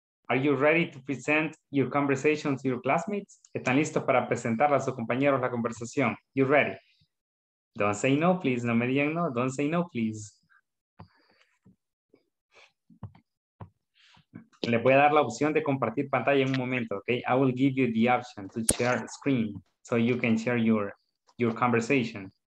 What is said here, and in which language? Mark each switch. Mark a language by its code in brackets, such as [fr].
[en] Are you ready to present your conversation to your classmates? [es] ¿Están listos para presentar a sus compañeros la conversación? [en] You ready? Don't say no, please. [es] No me digan no. [en] Don't say no, please. [es] Le voy a dar la opción de compartir pantalla en un momento, okay? [en] I will give you the option to share screen so you can share your conversation.